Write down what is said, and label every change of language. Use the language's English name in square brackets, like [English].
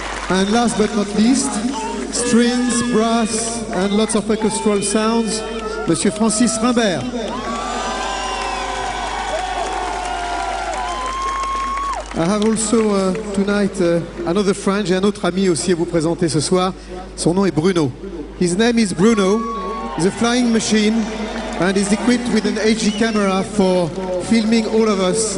[English] And last but not least, strings, brass, and lots of orchestral sounds. [French] Monsieur Francis Rimbert. [English] I have also tonight another friend, [French] j'ai un autre ami aussi à vous présenter ce soir. Son nom est Bruno. [English] His name is Bruno. He's a flying machine and is equipped with an HD camera for filming all of us.